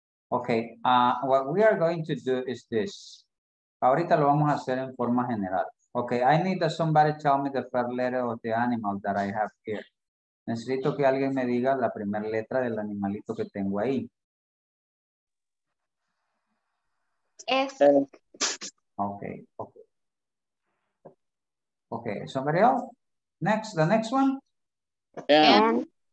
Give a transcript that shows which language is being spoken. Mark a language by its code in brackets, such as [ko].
[en] Okay, what we are going to do is this. [es] Ahorita lo vamos a hacer en forma general. [en] Okay, I need that somebody tell me the first letter of the animal that I have here. [es] Necesito que alguien me diga la primera letra del animalito que tengo ahí. [en] F. Okay, okay. Okay, somebody else? Next, the next one? M.